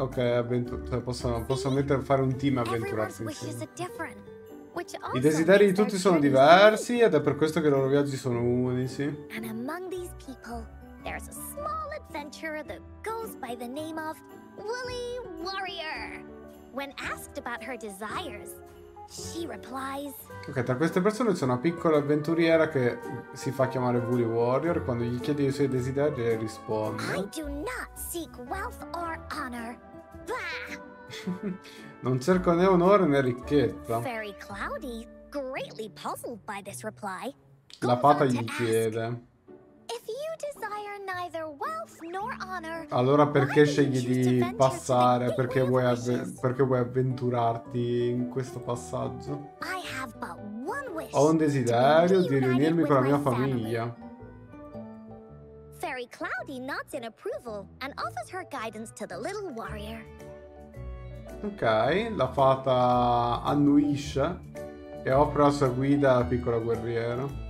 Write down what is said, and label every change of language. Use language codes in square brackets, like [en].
[it] Ok, possono mettere a fare un team avventurarsi insieme. I desideri di tutti sono diversi ed è per questo che i loro viaggi sono unici. [en] And among these people, there's a small adventurer that goes by the name of Woolly Warrior. When asked about her desires, she replies. [it] Ok, tra queste persone c'è una piccola avventuriera che si fa chiamare Woolly Warrior. Quando gli chiede i suoi desideri, lei risponde. [en] I do not seek wealth or honor. Bah! [it] Non cerco né onore né ricchezza. [en] Fairy Cloudy, greatly puzzled by this reply, [it] la fata gli chiede. [en] If you desire neither wealth nor honor, [it] allora perché scegli di passare? Perché vuoi avventurarti in questo passaggio? [en] I have but one wish. [it] Ho un desiderio di riunirmi con la mia famiglia. [en] Fairy Cloudy nods in approval and offers her guidance to the little warrior. [it] Ok, la fata annuisce e offre la sua guida alla piccola guerriera.